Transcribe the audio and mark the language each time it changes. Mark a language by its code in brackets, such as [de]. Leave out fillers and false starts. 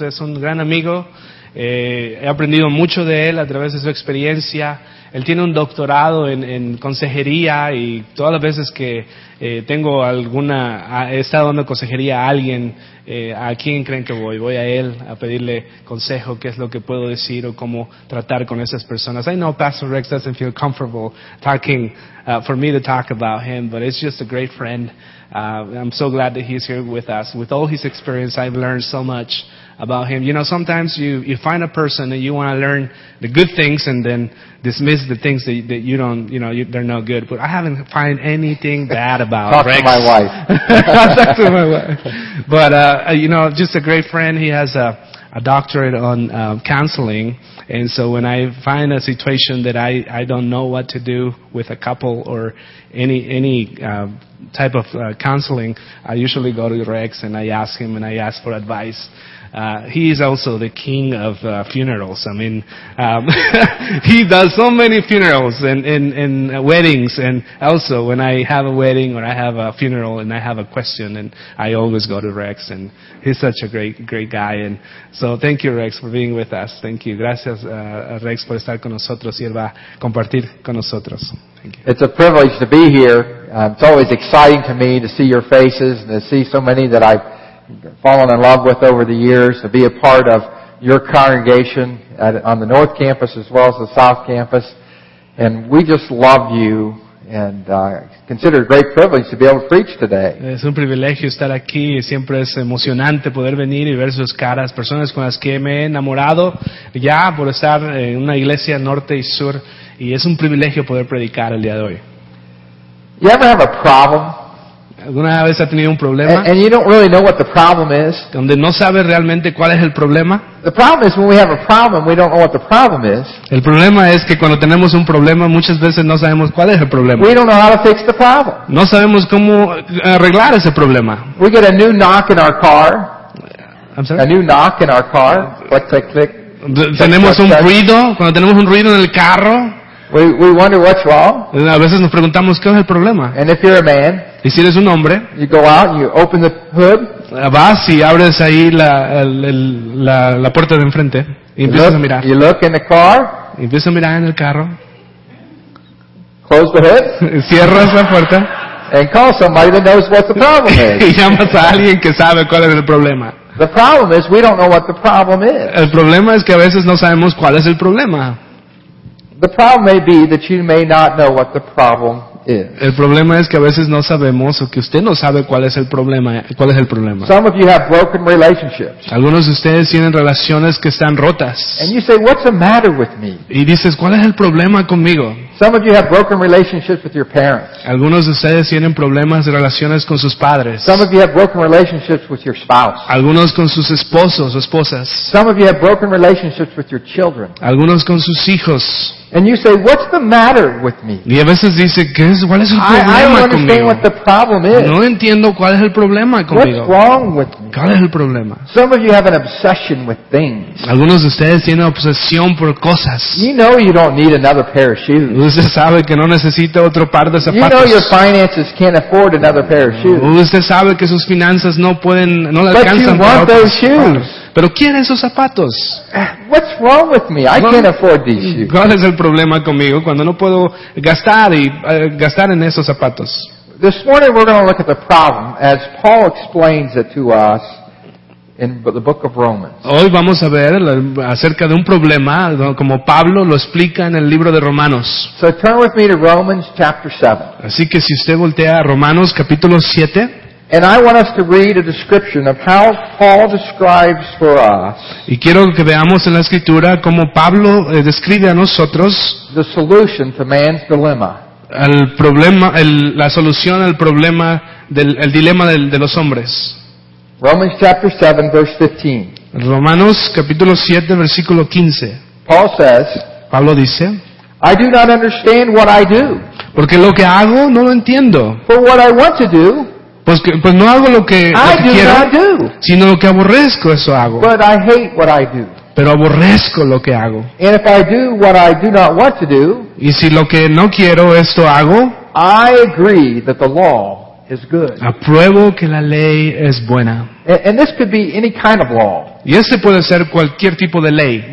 [es] Es un gran amigo, he aprendido mucho de él a través de su experiencia. Él tiene un doctorado en consejería, y todas las veces que tengo alguna, he estado dando consejería a alguien, ¿a quién creen que voy? Voy a él a pedirle consejo, qué es lo que puedo decir o cómo tratar con esas personas. [en] I know Pastor Rex doesn't feel comfortable talking, for me to talk about him, but it's just a great friend. I'm so glad that he's here with us. With all his experience, I've learned so much about him. You know, sometimes you find a person and you want to learn the good things and then dismiss the things that you don't, you know, they're no good. But I haven't found anything bad about Rex. Talk to my wife. Talk to my wife. But, you know, just a great friend. He has a doctorate on counseling. And so when I find a situation that I don't know what to do with a couple or any type of counseling, I usually go to Rex and I ask him and I ask for advice. He is also the king of funerals. I mean, he does so many funerals and weddings. And also, when I have a wedding or I have a funeral and I have a question, and I always go to Rex. And he's such a great, great guy. And so, thank you, Rex, for being with us. Thank you. [es] Gracias, Rex, por estar con nosotros y él va a compartir con nosotros. [en] Thank you. It's a privilege to be here. It's always exciting to me to see your faces and to see so many that I've fallen in love with over the years, to be a part of your congregation on the North Campus as well as the South Campus. And we just love you and consider it a great privilege to be able to preach today. [es] Es un privilegio estar aquí. Siempre es emocionante poder venir y ver sus caras, personas con las que me he enamorado ya por estar en una iglesia norte y sur. Y es un privilegio poder predicar el día de hoy. [en] You ever have a problem? [es] ¿Alguna vez ha tenido un problema? [en] And you don't really know what the problem is. [es] ¿Donde no sabes realmente cuál es el problema? [en] The problem is when we have a problem, we don't know what the problem is. [es] El problema es que cuando tenemos un problema, muchas veces no sabemos cuál es el problema. [en] We don't know how to fix the problem. [es] No sabemos cómo arreglar ese problema. [en] We get a new knock in our car. I'm sorry? A new knock in our car. Click, click, click. [es] Ruido, cuando tenemos un ruido en el carro. [en] We wonder what's wrong. [es] A veces nos preguntamos qué es el problema. [en] And if you're a man, [es] y si eres un hombre, [en] you go out and you open the hood, [es] vas y abres ahí la puerta de enfrente y empiezas a mirar. [en] You look in the car, [es] y empiezas a mirar en el carro. [en] Close the hood, [es] cierras la puerta. [en] And call somebody that knows what the problem is. [es] Y llamas a alguien que sabe cuál es el problema. [en] The problem is we don't know what the problem is. [es] El problema es que a veces no sabemos cuál es el problema. [en] The problem may be that you may not know what the problem is. [es] El problema es que a veces no sabemos o que usted no sabe cuál es el problema. [en] Some of you have broken relationships. [es] Algunos de ustedes tienen relaciones que están rotas. [en] And you say, what's the matter with me? [es] Y dices, ¿cuál es el problema conmigo? [en] Some of you have broken relationships with your parents. [es] Algunos de ustedes tienen problemas de relaciones con sus padres. [en] Some of you have broken relationships with your spouse. [es] Algunos con sus esposos o esposas. [en] Some of you have broken relationships with your children. [es] Algunos con sus hijos. [en] And you say, what's the matter with me? [es] Y a veces dice, ¿qué es? ¿Cuál es el problema conmigo? [en] I don't understand what the problem is. [es] No entiendo cuál es el problema conmigo. [en] What's wrong with me? [es] ¿Cuál es el problema? [en] Some of you have an obsession with things. [es] Algunos de ustedes tienen obsesión por cosas. [en] You know you don't need another pair of shoes. [es] Usted sabe que no necesita otro par de zapatos. [en] You know your finances can't afford another pair of shoes. [es] Usted sabe que sus finanzas no pueden, no le alcanzan [en] para otros. But you want those shoes. [es] Pero quiere esos zapatos. [en] What's wrong with me? I can't afford these shoes. [es] ¿Cuál es el problema conmigo cuando no puedo gastar y gastar en esos zapatos? [en] This morning we're going to look at the problem as Paul explains it to us in the book of Romans. [es] Hoy vamos a ver acerca de un problema como Pablo lo explica en el libro de Romanos. [en] So turn with me to Romans chapter 7. [es] Así que si usted voltea a Romanos capítulo 7. [en] And I want us to read a description of how Paul describes for us. [es] Y quiero que veamos en la escritura cómo Pablo describe a nosotros [en] the solution to man's dilemma. [es] La solución al dilema de los hombres. [en] Romans chapter 7 verse 15. [es] Romanos capítulo 7 versículo 15. [en] Paul says, [es] Pablo dice, [en] I do not understand what I do. [es] Porque lo que hago no lo entiendo. [en] For what I want to do, [es] Pues no hago lo que quiero, sino lo que aborrezco, eso hago. [en] But I hate what I do. [es] Pero aborrezco lo que hago. [en] And if I do what I do not want to do, [es] y si lo que no quiero, esto hago, [en] I agree that the law is good. [es] Apruebo que la ley es buena. [en] And this could be any kind of law. [es] Y este puede ser cualquier tipo de ley.